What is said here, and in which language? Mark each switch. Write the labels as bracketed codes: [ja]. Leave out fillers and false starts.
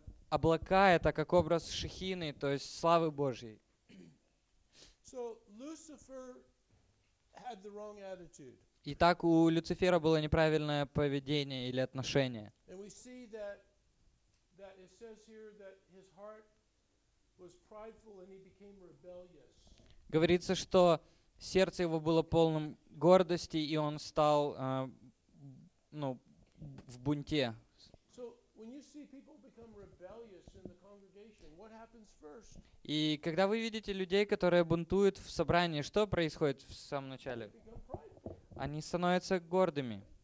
[ru] Облака — это как образ Шехины, то есть славы Божьей. [en] So, Lucifer had the wrong attitude. [ru] Итак, у Люцифера было неправильное поведение или отношение. [en] And we see that it says here that his heart was prideful and he became rebellious. [ru] Говорится, что сердце его было полным гордости, и он стал в бунте. [en] So, when you see people become rebellious in the congregation, what happens? [ru] И когда вы видите людей, которые бунтуют в собрании, что происходит в самом начале? Они становятся гордыми.